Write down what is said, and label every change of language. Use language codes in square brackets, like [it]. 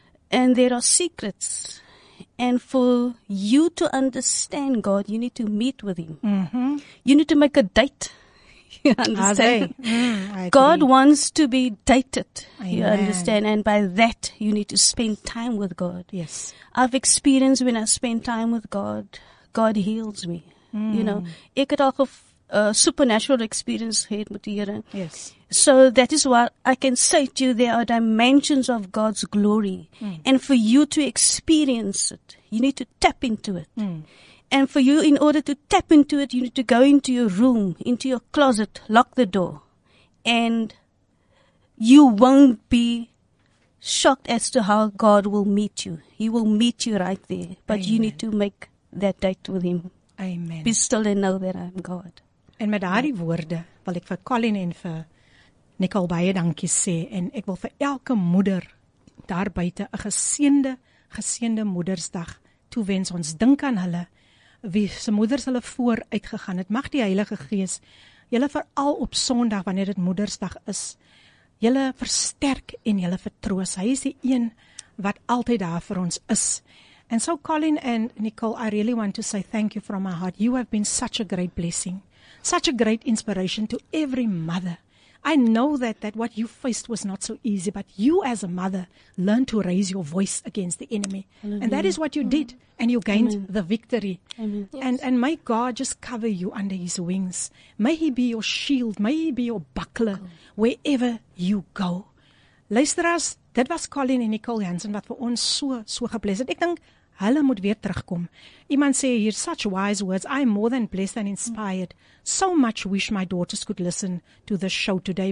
[en] And there are secrets. And for you to understand God, you need to meet with Him. Mm-hmm. You need to make a date. You understand? God wants to be dated. Amen. You understand? And by that, you need to spend time with God. Yes. I've experienced when I spend time with God, God heals me. Mm. [af] You know, ek het al 'n [en] supernatural experience [af] gehad met die Here. [en] Yes. So that is why I can say to you, there are dimensions of God's glory. Mm. And for you to experience it, you need to tap into it. Mm. And for you, in order to tap into it, you need to go into your room, into your closet, lock the door. And you won't be shocked as to how God will meet you. He will meet you right there. But Amen. You need to make that date with Him. Amen. Be still and know that I'm God. [af] En met daardie woorde wil ek vir Colleen en vir Nicole baie dankie sê. En ek wil vir elke moeder daar buite 'n geseënde Moedersdag toewens. Ons dink aan hulle. Wie se moeders hulle voor uitgegaan het, mag die Heilige Gees julle veral op Sondag wanneer dit Moedersdag is, julle versterk en julle vertroos. Hy is die een wat altyd daar vir ons is. [en] And so Colleen and Nicole, I really want to say thank you from my heart. You have been such a great blessing, such a great inspiration to every mother. I know that what you faced was not so easy, but you as a mother learned to raise your voice against the enemy. Hallelujah. And that is what you did, and you gained Amen. The victory. Amen. Yes. And may God just cover you under His wings. May He be your shield, may He be your buckler wherever you go. [af] Luisteraars, dit was Colleen en Nicole Hansen wat vir ons so geblesd het. Ek dink hulle moet weer terugkom. Iemand sê hier, [en] such wise words. I am more than blessed and inspired. So much wish my daughters could listen to the show today.